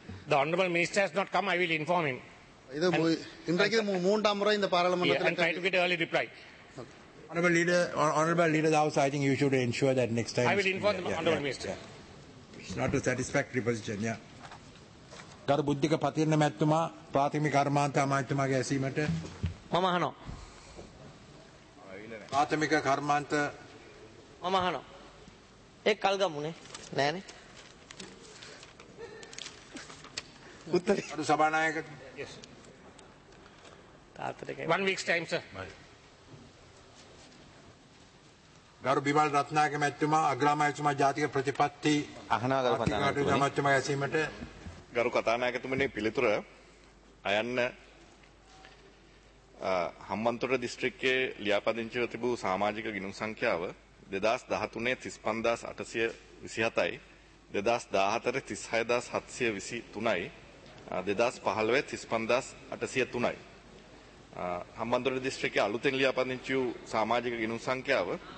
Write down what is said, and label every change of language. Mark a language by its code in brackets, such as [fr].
[en] the honorable minister has not come, I will inform him. [ta] இது இன்றைக்கு மூன்றாம் முறை இந்த பாராளுமன்றத்தில் reply. [en] Honorable leader, I think you should ensure that next time. I will inform the honorable minister. It's not a satisfactory position, yeah. [si] ගරු බුද්ධික පතිරණ මැතිතුමා ප්‍රාථමික කර්මාන්ත අමාත්‍යතුමාගේ ඇසීමට මම අහනවා. ප්‍රාථමික කර්මාන්ත මම අහනවා. ඒක කල් ගමුනේ නෑනේ. උත්තරේ අනු සභානායක [en] yes [si] තාත්තට කියන්න [en] 1 week's time sir. [si] ගරු බිමල් රත්නායක මැතිතුමා අග්‍රාමාත්‍යතුමා ජාතික ප්‍රතිපත්ති අහනාගල පදනම අමාත්‍යතුමාගේ ඇසීමට ගරු කතානායකතුමනි පිළිතුර අයන්න හම්බන්තොට දිස්ත්‍රික්කයේ ලියාපදිංචිව තිබූ සමාජික ගිණුම් සංඛ්‍යාව 2013 35827යි 2014 36723යි 2015 35803යි හම්බන්තොට දිස්ත්‍රික්කයේ අලුතෙන් ලියාපදිංචි වූ සමාජික ගිණුම් සංඛ්‍යාව